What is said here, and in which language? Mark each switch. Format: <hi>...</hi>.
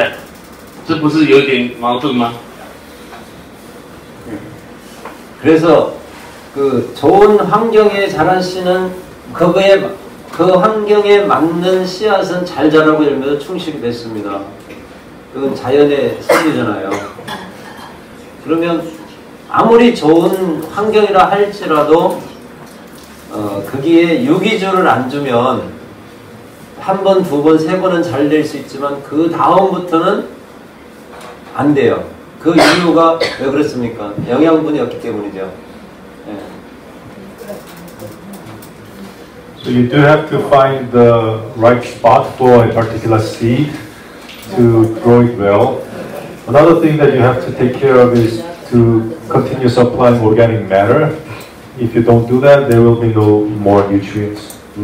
<zh>什么叫成功？什么叫失败？那彼此间不是也一样是这样矛盾吗？明明说要循着自然的摄理，可是又现在又传说，哎，环境好的话，啊，就适合作物，环境好的话就是好的，环境不好的时候，你的那个作物就长得不太好，这不是有点矛盾吗？</zh> <ko>그래서 그 좋은 환경에 자란 씨는 그 환경에 맞는 씨앗은 잘 자라고 열매도 충실히 맺습니다. 그건 자연의 섭리잖아요. 그러면 아무리 좋은 환경이라 할지라도 거기에 유기질을 안 주면 한 번, 두 번, 세 번은 잘 될 수 있지만 그 다음부터는 안 돼요. 그 이유가 왜 그렇습니까? 영양분이 없기 때문이죠.</ko> <en>So you do have to find the right spot for a particular seed to grow it well. Another thing that you have to take care of is to continue supplying organic matter. If you don't do that, there will be no more nutrients.</en>